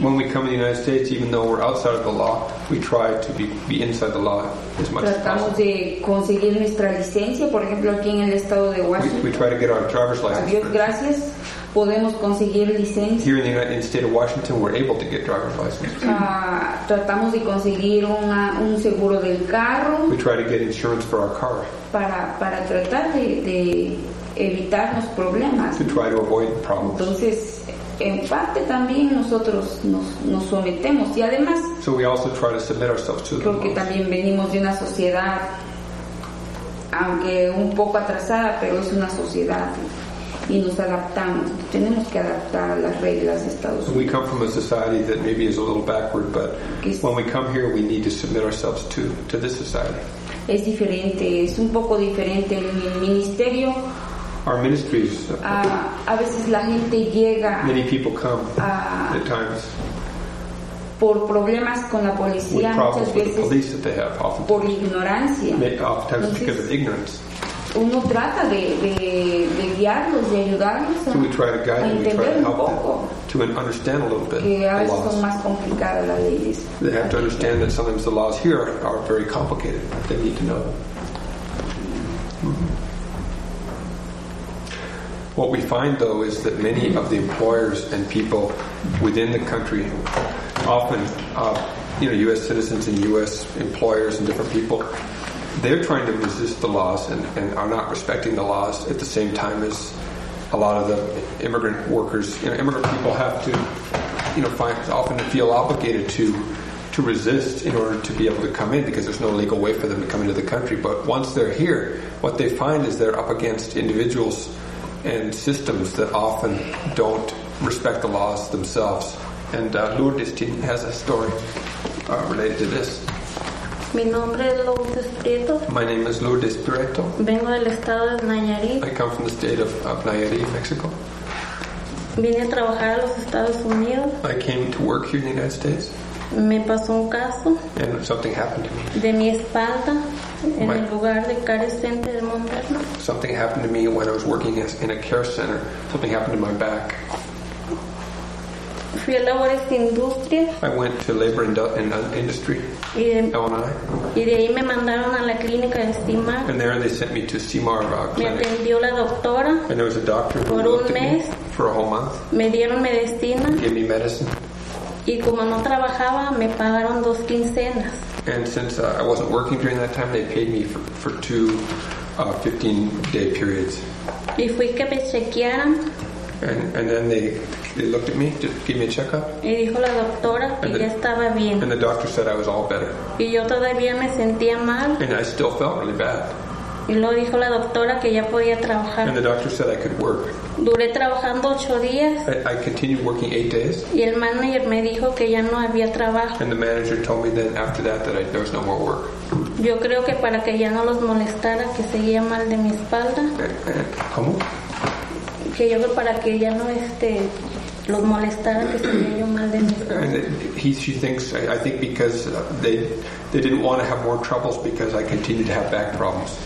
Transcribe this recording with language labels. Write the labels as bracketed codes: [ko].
[en] When we come to the United States, even though we're outside of the law, we try to be inside the law as much [es] Tratamos [en] as possible. [es] De conseguir nuestra licencia, por ejemplo, aquí en el estado de Washington. [en] We try to get our driver's license. [es] A Dios gracias, podemos conseguir licencia. [en] Here in the state of Washington, we're able to get driver's license. [es] Tratamos de conseguir un seguro del carro. [en] We try to get insurance for our car. [es] Para tratar de evitar los problemas. [en] To try to avoid problems. [es] Entonces, en parte también nosotros nos sometemos y además. [en] So we also try to submit ourselves to them. [es] Porque también venimos de una sociedad, aunque un poco atrasada, pero es una sociedad y nos adaptamos. Tenemos que adaptar las reglas de Estados Unidos. [en] We come from a society that maybe is a little backward, but when we come here, we need to submit ourselves to this society. [es] Es diferente, es un poco diferente en el ministerio. [en] Our ministries. [es] A veces la gente llega. [en] Many people come at times. [es] Por problemas con la policía. [en] With problems with the police that they have. Often. [es] Por ignorancia. [en] Oftentimes because of ignorance. [es] Uno trata de guiarlos, de ayudarlos. [en] So we try to guide them. We try to help them to understand a little bit. [es] Que a veces son más complicadas las leyes. [en] They have to understand that sometimes the laws here are very complicated. They need to know. What we find, though, is that many of the employers and people within the country, often, U.S. citizens and U.S. employers and different people, they're trying to resist the laws and are not respecting the laws at the same time as a lot of the immigrant workers. You know, immigrant people have to, often feel obligated to resist in order to be able to come in because there's no legal way for them to come into the country. But once they're here, what they find is they're up against individuals and systems that often don't respect the laws themselves. And Lourdes has a story related to this. [es] Mi nombre es Lourdes Prieto. [en] My name is Lourdes Prieto. [es] Vengo del estado de Nayarit. [en] I come from the state of Nayarit, Mexico. [es] Vine a trabajar a los Estados Unidos. [en] I came to work here in the United States. [es] Me pasó un caso. [en] And something happened to me. [es] De mi espalda. En el lugar de [en] care center [es] del Monterrey. [en] Something happened to me when I was working in a care center. Something happened to my back. [es] Fui a labores de industria. [en] I went to labor and industry. L&I. [es] Y de ahí me mandaron a la clínica de CIMAR. [en] And there they sent me to CIMAR clinic. [es] Me atendió la doctora. [en] And there was a doctor [es] por [en] who [es] un mes. [en] At me for a whole month. [es] Me dieron medicina. [en] Gave me medicine. [es] Y como no trabajaba, me pagaron dos quincenas. [en] And since I wasn't working during that time, they paid me for two 15-day periods. [es] Y fui que me chequearan. [en] And then they looked at me, just gave me a checkup. [es] Y dijo la doctora que ya estaba bien. [en] And the doctor said I was all better. [es] Y yo todavía me sentía mal. [en] And I still felt really bad. [es] Y luego dijo la doctora que ya podía trabajar. [en] And the doctor said I could work. [es] Duré trabajando 8 días. [en] I continued working 8 days. [es] Y el manager me dijo que ya no había trabajo. [en] And the manager told me then after that there was no more work. [es] Yo creo que para que ya no los molestara que seguía mal de mi espalda. ¿Cómo? Que yo creo para que ya no los molestara que seguía yo mal de mi espalda. [en] She thinks, I think because they didn't want to have more troubles because I continued to have back problems.